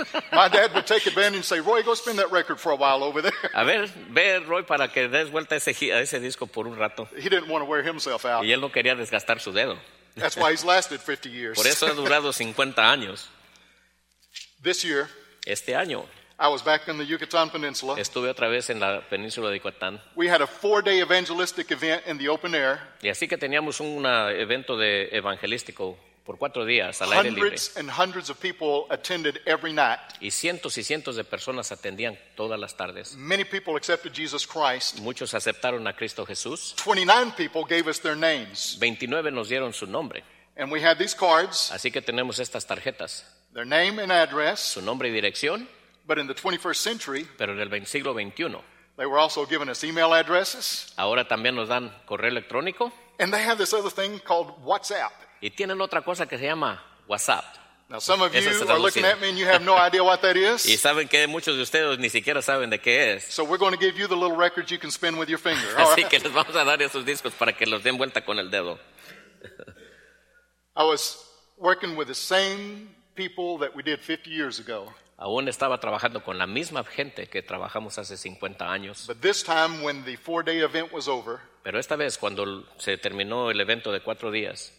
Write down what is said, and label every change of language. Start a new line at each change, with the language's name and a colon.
English: My dad would take advantage and say, "Roy, go spin that record for a while over there."
Spanish: A ver, ve Roy para que des vuelta ese disco por un rato.
English: He didn't want to wear himself out.
Spanish: Y él no quería desgastar su dedo.
English: That's why he's lasted 50 years.
Spanish: Por eso ha durado 50 años.
English: This year,
Spanish: este año,
English: I was back in the Yucatan Peninsula.
Spanish: Estuve otra vez en la península de Yucatán.
English: We had a 4-day evangelistic event in the open air.
Spanish: Y así que teníamos un evento de evangelístico por 4 días al
English: hundreds Hundreds and hundreds of people attended every night.
Spanish: Y cientos y cientos de personas atendían todas las tardes.
English: Many people accepted Jesus Christ.
Spanish: Muchos aceptaron a Cristo Jesús.
English: 29 people gave us their names.
Spanish: 29 nos dieron su nombre.
English: And we had these cards.
Spanish: Así que tenemos estas tarjetas.
English: Their name and address.
Spanish: Su nombre y dirección.
English: But in the 21st century.
Spanish: Pero en el siglo 21.
English: They were also giving us email addresses.
Spanish: Ahora también nos dan correo electrónico.
English: And they have this other thing called WhatsApp.
Spanish: Y tienen otra cosa que se llama WhatsApp.
English: Now some of you are looking at me and you have no idea what that is.
Spanish: Y saben que muchos de ustedes ni siquiera saben de qué es.
English: So we're going to give you the little records you can spin with your finger.
Spanish: Así que les vamos a dar esos discos para que los den vuelta con el dedo.
English: I was working with the same people that we did 50 years ago.
Spanish: Aún estaba trabajando con la misma gente que trabajamos hace 50 años.
English: But this time when the 4-day event was over,
Spanish: pero esta vez, cuando se terminó el evento de 4 días,